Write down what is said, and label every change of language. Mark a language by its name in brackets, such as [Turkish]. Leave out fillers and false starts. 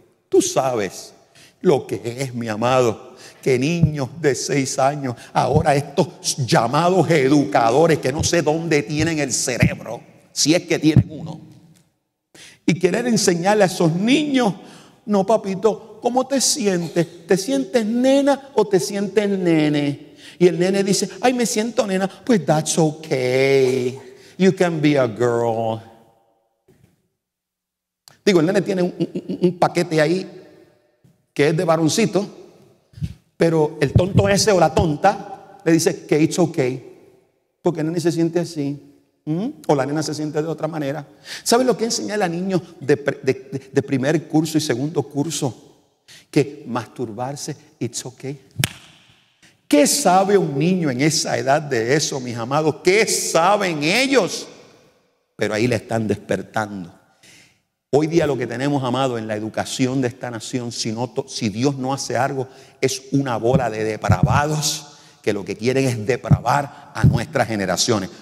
[Spanish] Tú sabes lo que es, mi amado, que niños de 6 años, ahora estos llamados educadores que no sé dónde tienen el cerebro, si es que tienen uno, y querer enseñarle a esos niños: no, papito, ¿cómo te sientes? ¿Te sientes nena o te sientes nene? Y el nene dice: ay, me siento nena. Pues [English] that's okay, you can be a girl. [Spanish] Digo, el nene tiene un paquete ahí que es de varoncito, pero el tonto ese o la tonta le dice que [English] it's okay, [Spanish] porque el nene se siente así. O la nena se siente de otra manera. ¿Sabes lo que enseña a niños de primer curso y segundo curso? Que masturbarse, [English] it's okay. [Spanish] ¿Qué sabe un niño en esa edad de eso, mis amados? ¿Qué saben ellos? Pero ahí le están despertando. Hoy día lo que tenemos, amado, en la educación de esta nación, si Dios no hace algo, es una bola de depravados que lo que quieren es depravar a nuestras generaciones.